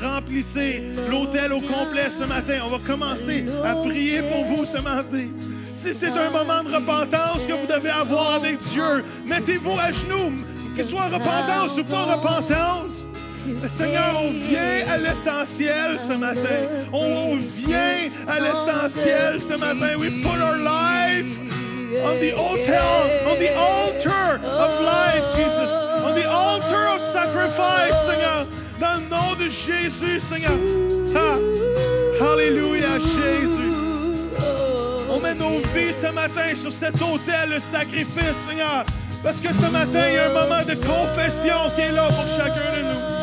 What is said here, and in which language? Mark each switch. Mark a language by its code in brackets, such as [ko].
[fr] Remplissez l'autel au complet ce matin. On va commencer à prier pour vous ce matin. Si c'est un moment de repentance que vous devez avoir avec Dieu, mettez-vous à genoux, que ce soit repentance ou pas repentance. Seigneur, on vient à l'essentiel ce matin. On vient à l'essentiel ce matin. [en] We put our life on the altar of life, Jesus. On the altar of sacrifice, Seigneur. [fr] Dans le nom de Jésus, Seigneur. Ha. Hallelujah, Jésus. On met nos vies ce matin sur cet autel de sacrifice, Seigneur. Parce que ce matin, il y a un moment de confession qui est là pour chacun de nous.